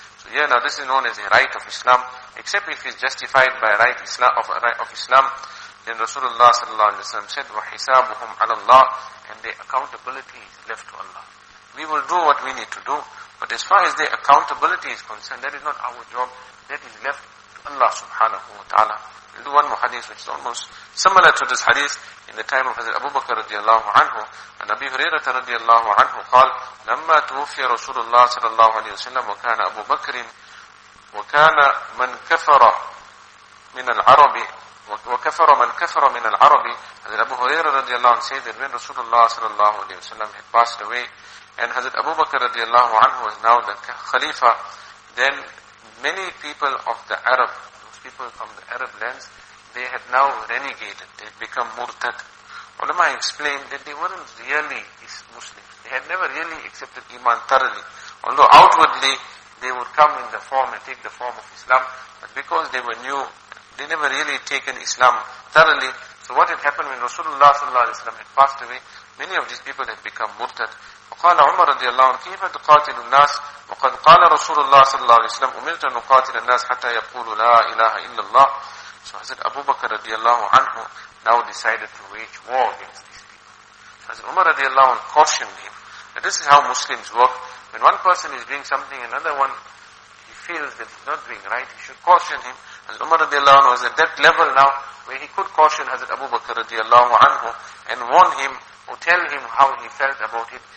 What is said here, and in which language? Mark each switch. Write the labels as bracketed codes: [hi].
[en] So here now this is known as a right of Islam, except if it is justified by a right of Islam, then Rasulullah sallallahu alayhi wa sallam said, [ar] وَحِسَابُهُمْ عَلَى اللَّهِ, [en] and their accountability is left to Allah. We will do what we need to do, but as far as the accountability is concerned, that is not our job. That is left to Allah subhanahu wa ta'ala. We'll do one more hadith which is almost similar to this hadith in the time of Hazrat Abu Bakr radiallahu anhu. And Abi Hurairah radiallahu anhu qal, [ar] لما توفي رسول الله صلى الله عليه وسلم وكان أبو بكر وكان من كفر من العرب وكفر من كفر من العرب. [en] Hazrat Abu Hurairah radiallahu anhu said that when Rasulullah صلى الله عليه وسلم had passed away, And Hazrat Abu Bakr radiallahu anhu was now the Khalifa. Then many people of the Arab, those people from the Arab lands, they had now renegated. They had become murtad. Ulama explained that they weren't really Muslims. They had never really accepted Iman thoroughly. Although outwardly, they would come in the form and take the form of Islam. But because they were new, they never really taken Islam thoroughly. So what had happened when Rasulullah sallallahu alayhi wa sallam had passed away, many of these people had become murtad. [ar] وقال عمر رضي الله عنه كيف تقاتل الناس وقد قال رسول الله صلى الله عليه وسلم أمرت أن أقاتل الناس حتى يقولوا لا إله إلا الله. [en] So Hazrat Abu Bakr رضي الله عنه now decided to wage war against these people. So Hazrat Umar رضي الله عنه cautioned him that this is how Muslims work. When one person is doing something, another one, he feels that he's not doing right, he should caution him. Hazrat Umar رضي الله عنه was at that level now where he could caution Hazrat Abu Bakr رضي الله عنه and warn him or tell him how he felt about it.